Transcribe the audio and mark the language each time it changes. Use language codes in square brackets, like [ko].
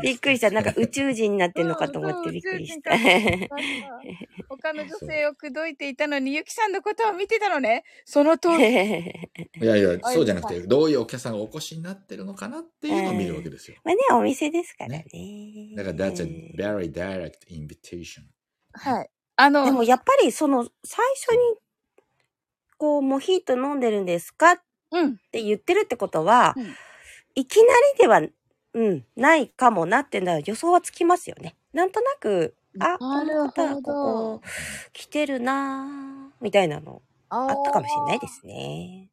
[ja] びっくりした。なんか宇宙人になってんのかと思ってびっくりした。そうそう、他の女性を口説いていたのに、ゆきさんのことを見てたのね。その通り。いやいや、そうじゃなくて、どういうお客さんがお越しになってるのかなっていうのを見るわけですよ。まあね、お店ですからね。だから、 [en] that's a very direct invitation。 [ja] はい。でもやっぱりその最初にこうモヒート飲んでるんですかって言ってるってことは、うん、いきなりでは、うん、ないかもなっていうのは予想はつきますよね。なんとなく、あ、この方ここ来てるなーみたいなのあったかもしれないですね。